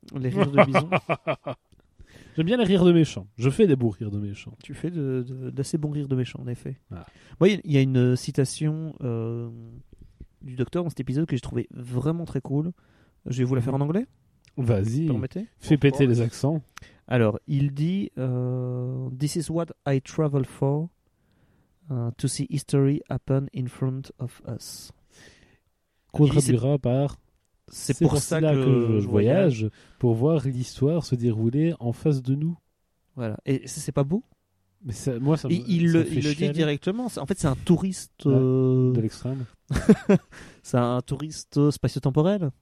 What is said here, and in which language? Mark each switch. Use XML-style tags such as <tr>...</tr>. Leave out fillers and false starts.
<fr>Les rires de Bison. J'aime bien les rires de méchants. Je fais des beaux rires de méchants. Tu fais d'assez bons rires de méchants, en effet. Moi, il y a une citation du docteur dans cet épisode que j'ai trouvé vraiment très cool. Je vais vous la faire en anglais. Vas-y. Vous permettez ? Fais péter les accents.</fr> <en>Alors, il dit « This is what I travel for, to see history happen in front of us. »</en> <fr>Qu'on traduira par... C'est pour ça que je voyage, pour voir l'histoire se dérouler en face de nous. Voilà. Et c'est pas beau? Mais ça, moi, ça me, il le dit directement. En fait, c'est un touriste. Ouais, de l'extrême. C'est un touriste spatio-temporel.</fr>